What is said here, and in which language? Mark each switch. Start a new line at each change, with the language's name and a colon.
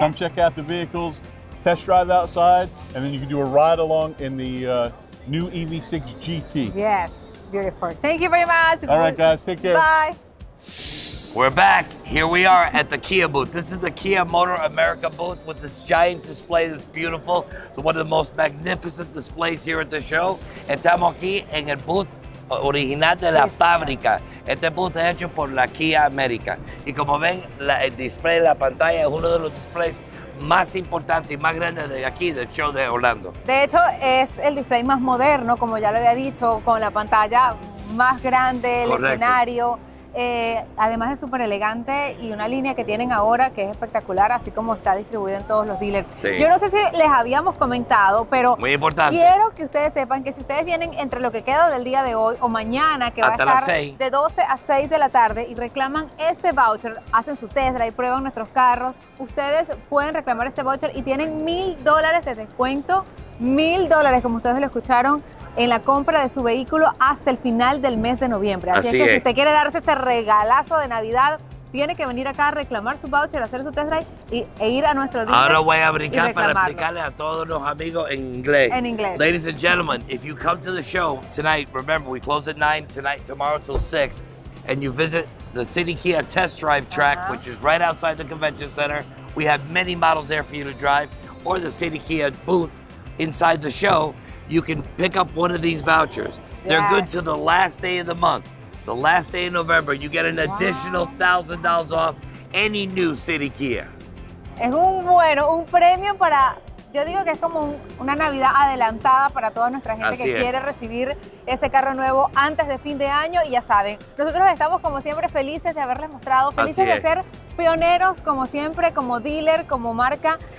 English: Come check out the vehicles, test drive outside, and then you can do a ride along in the new EV6 GT. Yes, beautiful. Thank you very much. All right, guys, take care. Bye. We're back. Here we are at the Kia booth. This is the Kia Motor America booth with this giant display that's beautiful. It's one of the most magnificent displays here at the show.
Spanish: Estamos aquí en el booth original de la fábrica. Este booth es hecho por la Kia América. Y como ven, el display, la pantalla, es uno de los displays más importantes y más grandes de aquí, del show de Orlando. De hecho, es el display más moderno, como ya lo había dicho, con la pantalla más grande, el escenario. Además es súper elegante y una línea que tienen ahora que es espectacular, así como está distribuido en todos los dealers. Sí. Yo no sé si les habíamos comentado, pero muy importante. Quiero que ustedes sepan que si ustedes vienen entre lo que queda del día de hoy o mañana, que hasta va a estar de 12 a 6 de la tarde y reclaman este voucher, hacen su test drive y prueban nuestros carros, ustedes pueden reclamar este voucher y tienen $1,000 de descuento, $1,000, como ustedes lo escucharon, en la compra de su vehículo hasta el final del mes de noviembre. Así, así es que si usted quiere darse este regalazo de Navidad, tiene que venir acá a reclamar su voucher, hacer su test drive e ir a nuestro dealer. Ahora voy a brincar para explicarle a todos los amigos en inglés. En inglés.
English: Ladies and gentlemen, if you come to the show tonight, remember we close at 9 tonight, tomorrow till 6, and you visit the City Kia test drive track, which is right outside the convention center. We have many models there for you to drive, or the City Kia booth inside the show. You can pick up one of these vouchers. They're good to the last day of the month. The last day of November, you get an additional $1,000 off any new City Kia.
Spanish: Es un bueno, un premio para, yo digo que es como una Navidad adelantada para toda nuestra gente así que es. Quiere recibir ese carro nuevo antes de fin de año. Y ya saben, nosotros estamos como siempre felices de haberles mostrado, felices así de es. Ser pioneros como siempre, como dealer, como marca.